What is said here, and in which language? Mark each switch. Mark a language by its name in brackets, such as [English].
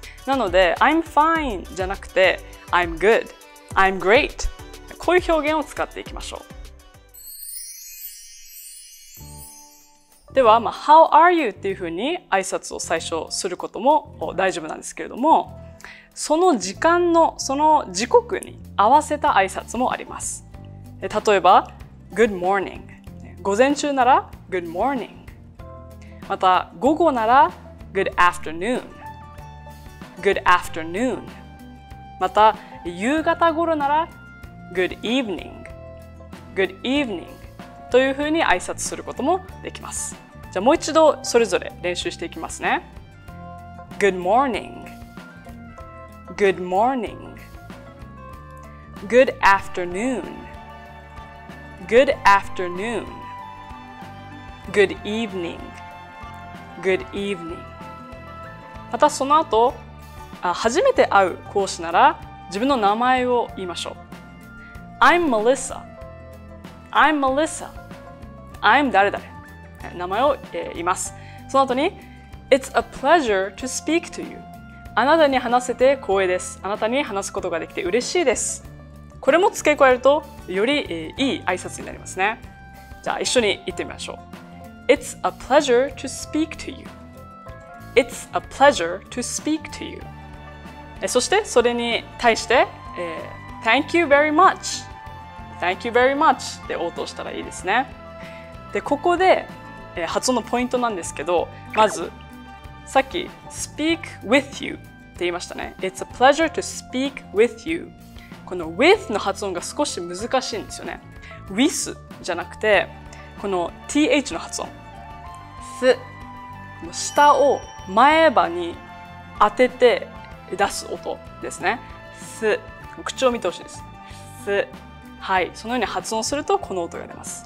[Japanese] なので [English] I'm fine [Japanese] じゃなくて [English] I'm good、 I'm great、 [Japanese] こういう表現を使っていきましょう。では、 [English] How are you [Japanese] っていうふうに挨拶を最初することも大丈夫なんですけれども、その時間の、その時刻に合わせた挨拶もあります。例えば、 [English] Good morning。 [Japanese] 午前中なら、 [English] Good morning。 [Japanese] また、午後なら、 [English] Good afternoon。 Good afternoon。 [Japanese] また、夕方頃なら、 [English] Good evening。 Good evening。 [Japanese] というふうに挨拶することもできます。じゃあもう一度それぞれ練習していきますね。 [English] Good morning. Good morning. Good afternoon. Good afternoon. Good evening. Good evening. [Japanese] またその後、初めて会う講師なら自分の名前を言いましょう。 [English] I'm Melissa. I'm Melissa. [Japanese] I'm 誰々、名前を言います。その後に、 [English] It's a pleasure to speak to you. [Japanese] あなたに話せて光栄です。あなたに話すことができて嬉しいです。これも付け加えると、より、いい挨拶になりますね。じゃあ一緒に言ってみましょう。 [English] It's a pleasure to speak to you. It's a pleasure to speak to you. [Japanese] そしてそれに対して、 [English] Thank you very much. Thank you very much. [Japanese] で応答したらいいですね。でここで、発音のポイントなんですけど、まずさっき [English] speak with you [Japanese] って言いましたね。 [English] It's a pleasure to speak with you。 [Japanese] この with の発音が少し難しいんですよね。with じゃなくてこの th の発音、 th、 下を前歯に当てて出す音ですね。 th、 口を見てほしいです。th、はい、そのように発音するとこの音が出ます。